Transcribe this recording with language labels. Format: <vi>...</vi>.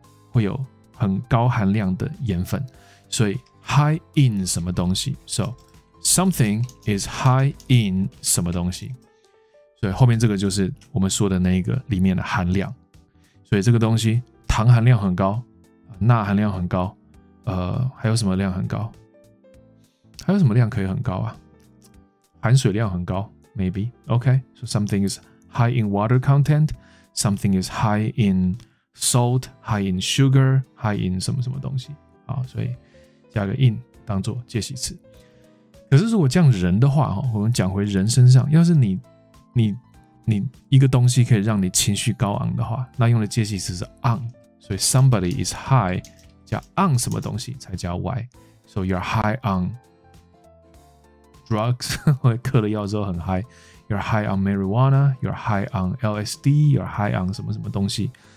<zh>会有很高含量的盐分，所以 high in 什么东西， so something is high in 什么东西，所以后面这个就是我们说的那个里面的含量，所以这个东西糖含量很高，钠含量很高，还有什么量很高？还有什么量可以很高啊？含水量很高 ，maybe OK，</zh> <en>so something is high in</en> <zh>water content， something is high in salt, high in sugar, high in 什么什么东西，好，所以加个 in 当做介系词。可是如果这样人的话，我们讲回人身上，要是你一个东西可以让你情绪高昂的话，那用的介系词是 on， 所以 somebody is high 加 on 什么东西才加 y，</zh> <en>so you're high on drugs，</en> <zh>我嗑了药之后很 high， you're high on marijuana， you're high on LSD， you're high on 什么什么东西。</zh>